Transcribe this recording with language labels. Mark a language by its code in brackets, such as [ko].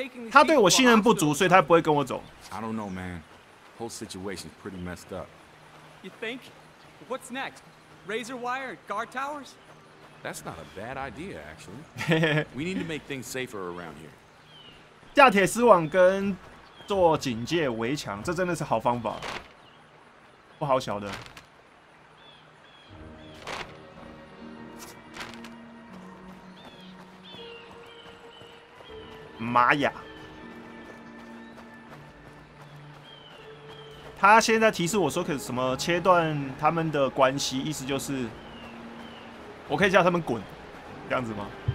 [zh] 他对我信任不足，所以他不会跟我走。 [en] I don't know, man. Whole situation is pretty messed up. You think? What's next? Razor wire, guard towers? That's not a bad idea, actually. We need to make things safer around here. [zh] 架铁丝网跟做警戒围墙，这真的是好方法。不好小的。玛雅，他现在提示我说可什么切断他们的关系，意思就是我可以叫他们滚，这样子吗？